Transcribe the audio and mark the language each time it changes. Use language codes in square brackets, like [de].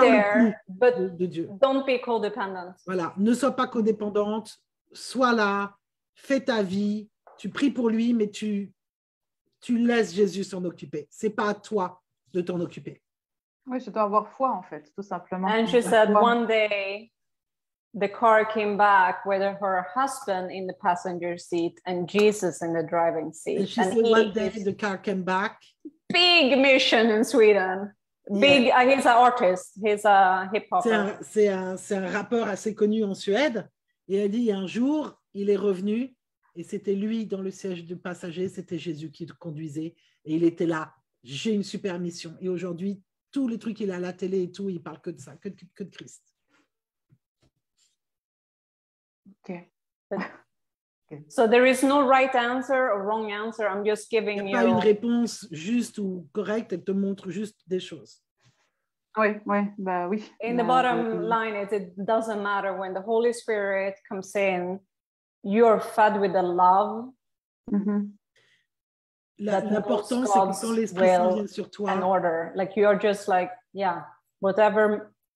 [en] there, [fr] parles plus [en] but [fr] de Dieu. [en] Don't be codependent. [fr] Voilà, ne sois pas codépendante. Sois là, fais ta vie. Tu pries pour lui, mais tu laisses Jésus s'en occuper. C'est pas à toi de t'en occuper. Oui, je dois avoir foi en fait, tout simplement. [en] And she said one day, the car came back with her husband in the passenger seat and Jesus in the driving seat. And she said one day the car came back. Big mission in Sweden. Big, yeah. He's an artist. He's a hip hop. [fr] C'est un rappeur assez connu en Suède. Et elle dit, un jour, il est revenu et c'était lui dans le siège du passager. C'était Jésus qui le conduisait et il était là. J'ai une super mission. Et aujourd'hui, tous les trucs qu'il a à la télé et tout, il parle que de ça, que de Christ. [en] Okay. So there is no right answer or wrong answer. I'm just giving you. [fr] Il n'y a pas une réponse juste ou correcte. Elle te montre juste des choses. Oui, oui, bah oui. [en] In the bottom line, it doesn't matter when the Holy Spirit comes in. You are fed with the love. [fr] L'important c'est que quand l'Esprit Saint vient sur toi. [en] An order, like you are just like yeah, whatever.